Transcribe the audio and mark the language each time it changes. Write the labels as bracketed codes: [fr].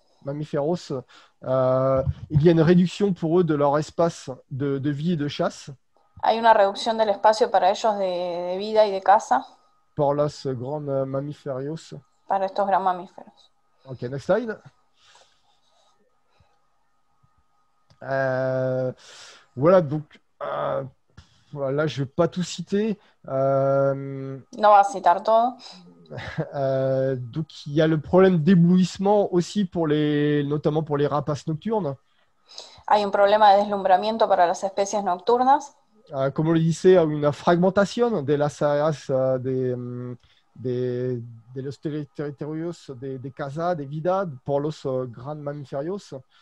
[fr] il y a une réduction pour eux de leur espace de vie et de chasse. [es] Hay una reducción del espacio para ellos de vida y de caza. Por los grandes mamíferos. Para estos grandes mamíferos. [en] Ok, next slide. [fr] Voilà, donc là, je ne vais pas tout citer. [es] No va a citar todo. [fr] Donc il y a le problème d'éblouissement aussi notamment pour les rapaces nocturnes. [es] Hay un problema de deslumbramiento para las especies nocturnas. [fr] Comme on le disait, une fragmentation [es] de las áreas de los territorios de casa, de vida, por los grandes mamíferos.